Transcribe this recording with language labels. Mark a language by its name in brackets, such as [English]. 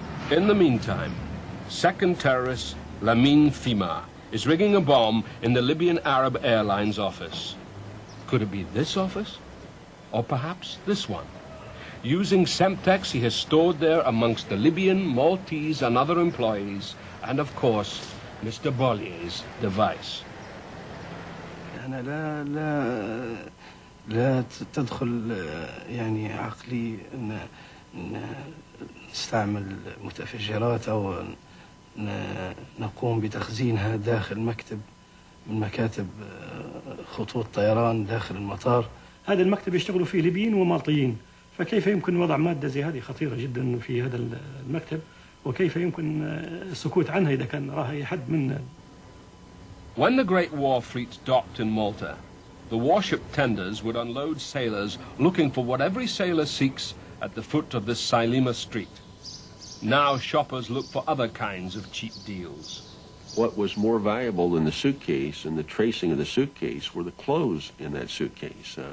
[English] In the meantime, second terrorist Lamine Fima is rigging a bomb in the Libyan Arab Airlines office. Could it be this office? Or perhaps this one? Using Semtex, he has stored there amongst the Libyan, Maltese, and other employees, and of course, Mr. Bollier's device. [Arabic] أنا لا لا لا تدخل يعني عقلي إن نستعمل متفجرات أو نقوم بتخزينها داخل مكتب من مكاتب خطوط طيران داخل المطار. هذا المكتب يشتغل فيه ليبيين ومالطيين. فكيف يمكن وضع مادة زي هذه خطيرة جدا في هذا المكتب وكيف يمكن السكوت عنها إذا كان راها أي حد منا [English] When the Great War Fleet docked in Malta, the warship tenders would unload sailors looking for what every sailor seeks at the foot of this Sailima street. Now shoppers look for other kinds of cheap deals. What was more valuable than the suitcase and the tracing of the suitcase were the clothes in that suitcase.